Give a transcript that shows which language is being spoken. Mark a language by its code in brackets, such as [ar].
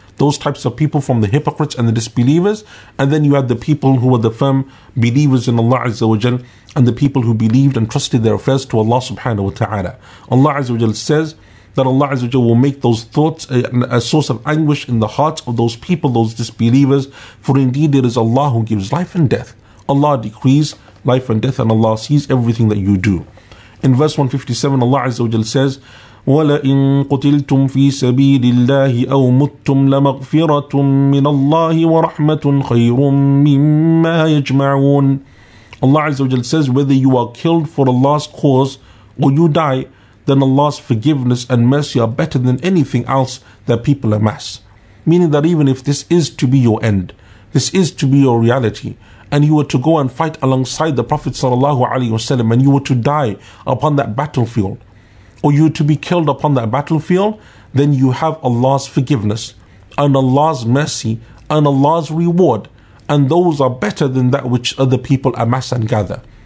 [en] those types of people from the hypocrites and the disbelievers, and then you had the people who were the firm believers in Allah Azza wa Jal, and the people who believed and trusted their affairs to Allah subhanahu wa ta'ala. Allah Azza wa Jal says that Allah Azza wa Jal will make those thoughts a source of anguish in the hearts of those people, those disbelievers, for indeed it is Allah who gives life and death. Allah decrees life and death, and Allah sees everything that you do. In verse 157, Allah Azza wa Jal says, [ar] وَلَئِن قُتِلْتُمْ فِي سَبِيلِ اللَّهِ أَوْ مُتْتُمْ لَمَغْفِرَةٌ مِّنَ اللَّهِ وَرَحْمَةٌ خَيْرٌ مِّمَّا يَجْمَعُونَ. [en] Allah Azza wa Jal says, whether you are killed for Allah's cause or you die, then Allah's forgiveness and mercy are better than anything else that people amass. Meaning that even if this is to be your end, this is to be your reality, and you were to go and fight alongside the Prophet sallallahu alaihi wasallam, and you were to die upon that battlefield, or you were to be killed upon that battlefield, then you have Allah's forgiveness and Allah's mercy and Allah's reward, and those are better than that which other people amass and gather.